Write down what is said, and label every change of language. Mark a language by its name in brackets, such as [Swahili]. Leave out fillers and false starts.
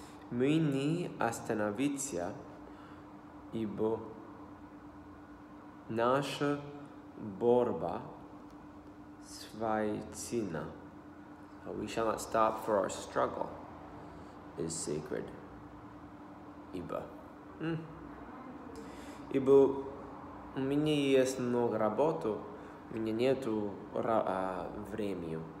[Russian] Мы не остановимся, ибо наша борьба свайцина. [English] We shall not stop, for our struggle is sacred. [Russian] Ибо. Ибо у меня есть много работы, у меня нету времени.